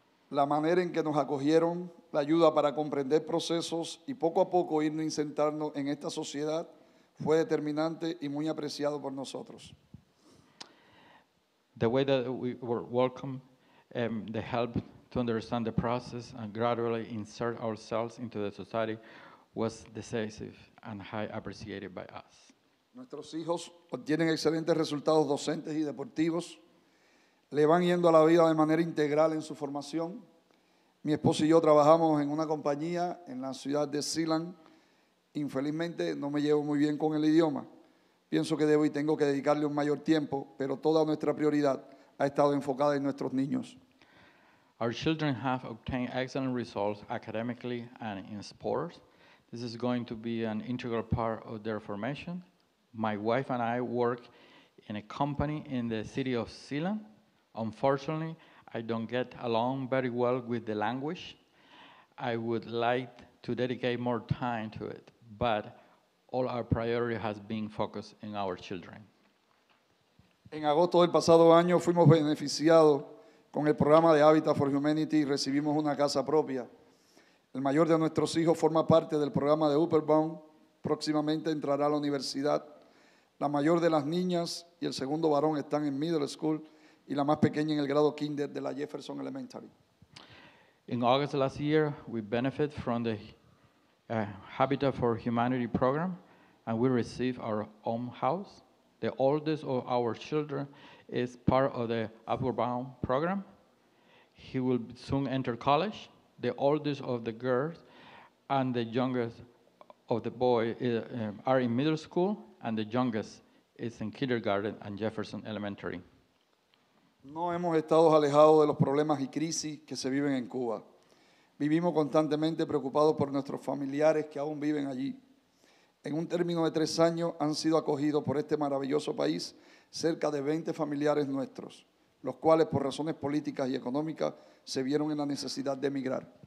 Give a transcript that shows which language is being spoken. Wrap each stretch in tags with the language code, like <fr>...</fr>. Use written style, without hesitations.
<es>La manera en que nos acogieron, la ayuda para comprender procesos y poco a poco ir insertándonos en esta sociedad fue determinante y muy apreciado por nosotros.</es> <en>The way that we were welcomed, the help to understand the process and gradually insert ourselves into the society was decisive and highly appreciated by us.</en> <es>Nuestros hijos obtienen excelentes resultados docentes y deportivos. Le van yendo a la vida de manera integral en su formación. Mi esposo y yo trabajamos en una compañía en la ciudad de Sealand. Infelizmente, no me llevo muy bien con el idioma. Pienso que debo y tengo que dedicarle un mayor tiempo, pero toda nuestra prioridad ha estado enfocada en nuestros niños.</es> <en>Our children have obtained excellent results academically and in sports. This is going to be an integral part of their formation. My wife and I work in a company in the city of Sealand. Unfortunately, I don't get along very well with the language. I would like to dedicate more time to it, but all our priority has been focused in our children.</en> <es>En agosto del pasado año fuimos beneficiados con el programa de Habitat for Humanity y recibimos una casa propia. El mayor de nuestros hijos forma parte del programa de Upper Bound. Próximamente entrará a la universidad. La mayor de las niñas y el segundo varón están en middle school y la más pequeña en el grado kinder de la Jefferson Elementary.</es> <en>In August last year, we benefited from the Habitat for Humanity program and we received our own house. The oldest of our children is part of the Upward Bound program. He will soon enter college. The oldest of the girls and the youngest of the boy are in middle school, and the youngest is in kindergarten and Jefferson Elementary.</en> <es>No hemos estado alejados de los problemas y crisis que se viven en Cuba. Vivimos constantemente preocupados por nuestros familiares que aún viven allí. En un término de 3 años han sido acogidos por este maravilloso país cerca de 20 familiares nuestros, los cuales por razones políticas y económicas se vieron en la necesidad de emigrar.</es>